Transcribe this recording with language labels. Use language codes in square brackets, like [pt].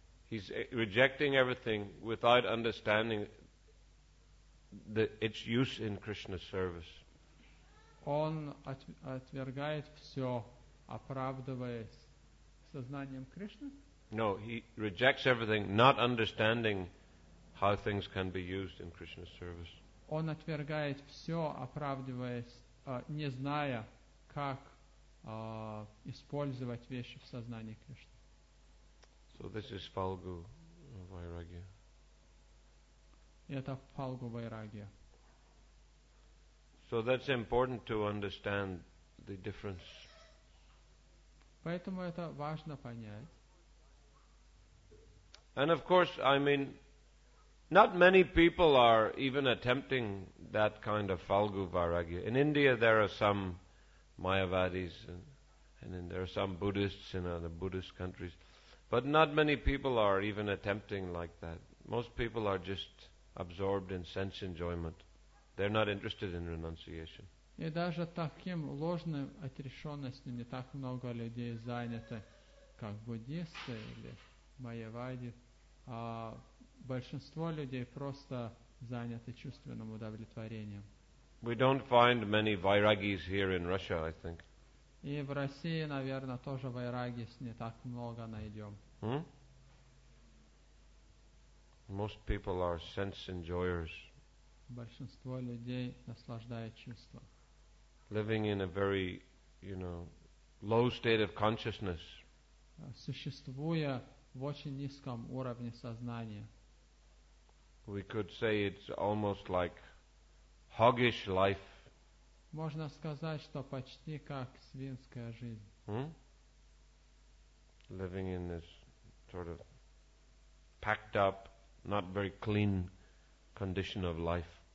[en] He's rejecting everything without understanding the, its use in Krishna's service. [ru] Он отвергает все, оправдываясь сознанием Кришны? [en] No, he rejects everything, not understanding how things can be used in Krishna's service. [ru] Он отвергает все, оправдываясь, не зная, как использовать вещи в сознании Кришны. [en] So this is Falgu Vairagya. [ru] Это Фалгу Вайрагья. [en] So that's important to understand the difference. [ru] Поэтому это важно понять. [en] And of course, I mean, not many people are even attempting that kind of Falgu Vairagya. In India, there are some Mayavadis, and there are some Buddhists in other Buddhist countries, but not many people are even attempting like that. Most people are just absorbed in sense enjoyment. They're not interested in renunciation. [ru] И даже таким ложным отрешенностям не так много людей заняты, как буддисты или майявади. А большинство людей просто заняты чувственным удовлетворением. [en] We don't find many vairagis here in Russia, I think. [ru] И в России, наверное, тоже вайрагис не так много найдем. [en] Most people are sense enjoyers. [ru] Большинство людей наслаждает чувства. [en] Living in a very, you know, low state of consciousness. [ru] Существуя в очень низком уровне сознания. [en] We could say it's almost like hoggish life. [ru] Можно сказать, что почти как свинская жизнь. [en] Living in this sort of packed up, not very clean condition of life.